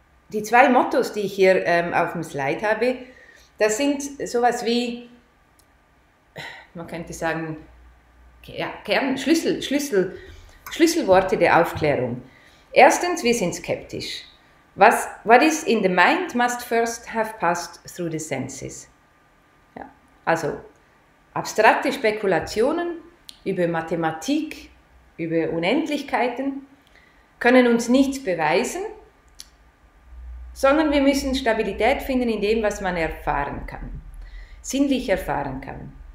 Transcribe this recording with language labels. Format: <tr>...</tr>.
<de>Die zwei Mottos, die ich hier auf dem Slide habe, das sind sowas wie, man könnte sagen, ja, Schlüsselworte der Aufklärung. Erstens, wir sind skeptisch.</de> <en>What is in the mind must first have passed through the senses.</en> <de>Ja. Also, abstrakte Spekulationen über Mathematik, über Unendlichkeiten können uns nichts beweisen, sondern wir müssen Stabilität finden in dem, was man erfahren kann, sinnlich erfahren kann.</de>